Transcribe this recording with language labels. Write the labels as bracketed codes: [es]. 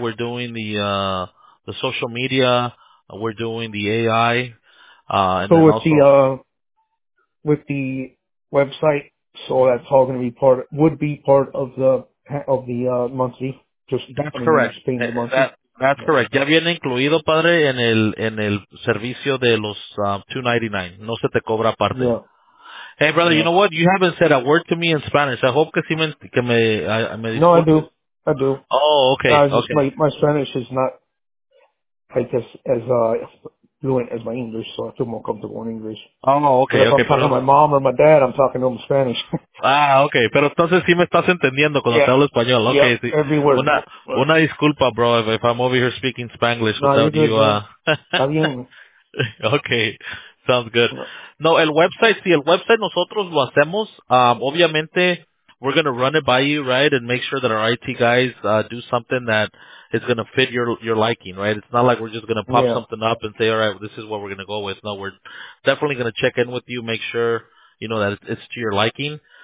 [en] We're doing the social media. We're doing the AI. With the website, so that's all going to be part of the monthly. That's correct. [es] Ya viene incluido, padre, en el servicio de los $299. No se te cobra aparte. [en] Yeah. Hey, brother, you know what? You haven't said a word to me in Spanish. I hope [es] que sí me disculpe. [en] No, I do. Oh, okay. My Spanish is not, I guess, as fluent as my English, so I feel more comfortable in English. Talking to my mom or my dad, I'm talking to them in Spanish. Ah, okay. [es] Pero entonces sí me estás entendiendo cuando te hablo español. [en] Okay. Yeah, every word. [es] Una disculpa, [en] bro, if I'm over here speaking Spanglish without you. Okay. Sounds good. [es] No, el website, sí, el website nosotros lo hacemos. [en] Obviamente, we're going to run it by you, right, and make sure that our IT guys do something that is going to fit your liking, right? It's not like we're just going to pop something up and say, all right, this is what we're going to go with. No, we're definitely going to check in with you, make sure, you know, that it's to your liking.